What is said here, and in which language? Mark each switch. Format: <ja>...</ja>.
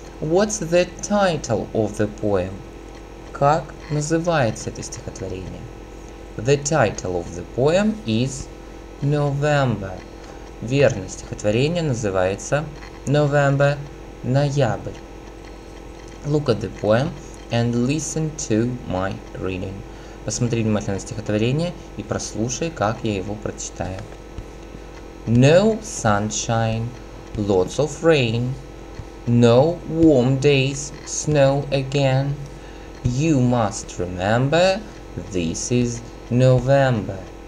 <en>What's the title of the poem?</en> <ru>Как называется это стихотворение?</ru> <en>The title of the poem is November.</en> <ru>Верно, стихотворение называется November, ноябрь.</ru> <en>Look at the poem and listen to my reading.</en> <ru>Посмотри внимательно на стихотворение и прослушай, как я его прочитаю.</ru> <en>No sunshine, lots of rain. No warm days, snow again. You must remember, this is November.</en>